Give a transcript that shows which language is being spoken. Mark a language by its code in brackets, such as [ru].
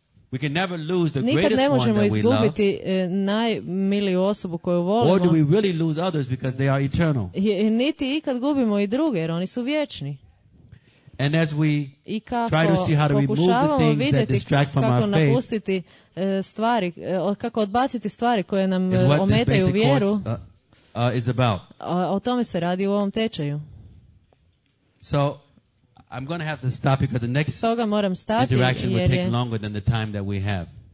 [en] We can never lose the greatest one that we love. [hr] Nikad ne možemo izgubiti najmiliju osobu koju volimo. [en] Or do we really lose others because they are eternal? [hr] Niti ikad gubimo i druge, jer oni su vječni. [en] And as we try to see how to remove the things that distract from our faith, [hr] kako napustiti stvari, kako odbaciti stvari koje nam ometaju vjeru. [en] Is about. [hr] O tome se radi u ovom tečaju. [en] So I'm going to have to stop because the next interaction will take longer than the time that we have.